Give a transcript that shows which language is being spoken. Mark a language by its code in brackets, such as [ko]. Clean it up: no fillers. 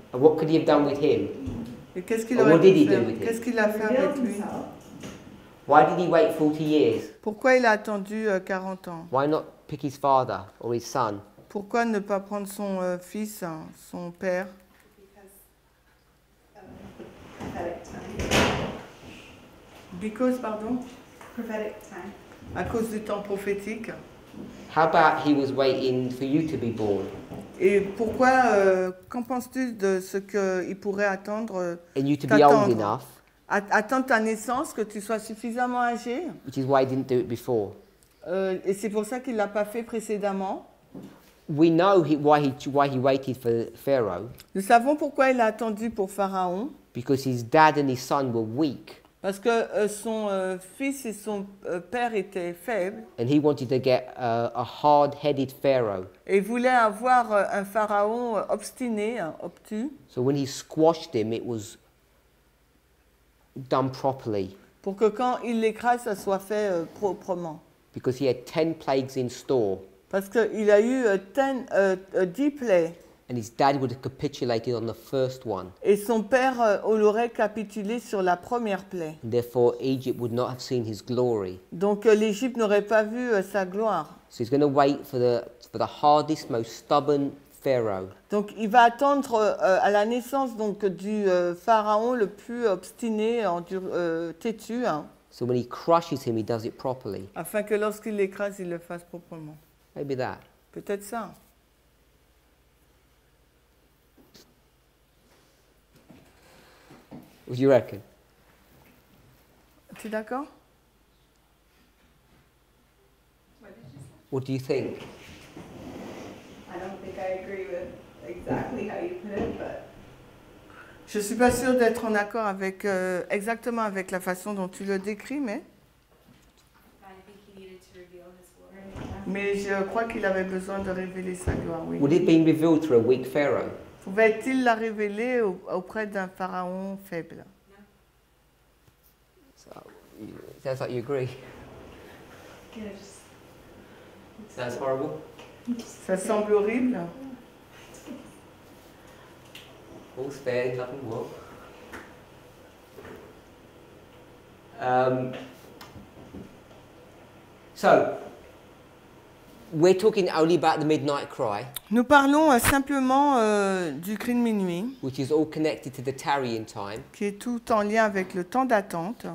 [en] And what could he have done with him? [fr] Et qu'est-ce qu'il [en] or what did he do with [fr] qu'est-ce [en] him? [fr] Qu'il a fait avec lui? [en] Why did he wait 40 years? [fr] Pourquoi il a attendu 40 ans? [en] Why not pick his father or his son? [fr] Pourquoi ne pas prendre son fils, son père? [en] Because, pardon? Prophetic time. [fr] À cause du temps prophétique. [en] How about he was waiting for you to be born? [fr] Et pourquoi, qu'en penses-tu de ce qu'il pourrait attendre? [en] And you to be old enough. [fr] Attendre ta naissance, que tu sois suffisamment âgé. [en] Which is why he didn't do it before. [fr] Et c'est pour ça qu'il ne l'a pas fait précédemment. [en] We know why he waited for Pharaoh. [fr] Nous savons pourquoi il a attendu pour Pharaon. [en] Because his dad and his son were weak. [fr] Parce que son fils et son père étaient faibles. [en] And he wanted to get a hard-headed pharaoh. [fr] Et il voulait avoir un pharaon obstiné, obtus. [en] So when he squashed him, it was done properly. [fr] Pour que quand il l'écrase, ça soit fait proprement. [en] Because he had 10 plagues in store. [fr] Parce qu'il a eu 10 plaies. [en] And his dad would have capitulated on the first one. [fr] Et son père aurait capitulé sur la première plaie. [en] And therefore, Egypt would not have seen his glory. [fr] Donc l'Égypte n'aurait pas vu sa gloire. [en] So he's going to wait for the hardest, most stubborn pharaoh. [fr] Donc il va attendre à la naissance donc du pharaon le plus obstiné, têtu. Hein. [en] So when he crushes him, he does it properly. [fr] Afin que lorsqu'il l'écrase, il le fasse proprement. [en] Maybe that. [fr] Peut-être ça. [en] What do you reckon? [fr] Tu es d'accord? [en] What do you think? I don't think I agree with exactly how you put it, but... [fr] Je ne suis pas sûre d'être en accord avec exactement avec la façon dont tu le décris, mais... Mais je crois qu'il avait besoin de révéler sa gloire, oui. [en] Would it be revealed through a weak pharaoh? [fr] Pouvait-il la révéler auprès d'un pharaon faible? [en] It sounds like you agree. Yes. Sounds horrible. [fr] Ça semble horrible. [en] All's fair in love and war. So, we're talking only about the midnight cry. [fr] Nous parlons simplement du cri de minuit. [en] Which is all connected to the tarrying time. [fr] Qui est tout en lien avec le temps d'attente.